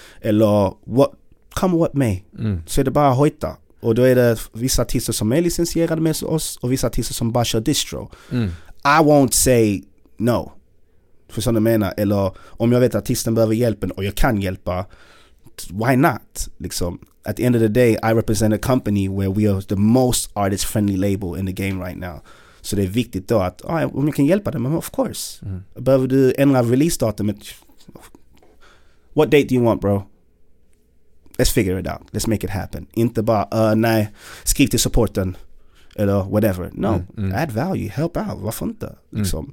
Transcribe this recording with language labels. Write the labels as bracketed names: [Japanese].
[English] Eller what, come what may. Mm. [Swedish] Så är det bara hojta. Och då är det vissa artister som är licensierade med oss och vissa artister som bara kör distro. Mm. [English] I won't say no. [Swedish] För sådana menar. Eller om jag vet att artisten behöver hjälpen och jag kan hjälpa, [English] why not? [Swedish] Liksom. [English] At the end of the day, I represent a company where we are the most artist-friendly label in the game right now. [Swedish] Så det är viktigt då att om jag kan hjälpa dem, of course. Mm. Behöver du ändra release datum? [English] What date do you want, bro? Let's figure it out. Let's make it happen. [Swedish] Inte bara, nej, skriv till supporten. Eller whatever. [English] No, add value. Help out. [Swedish] Varför inte? Liksom.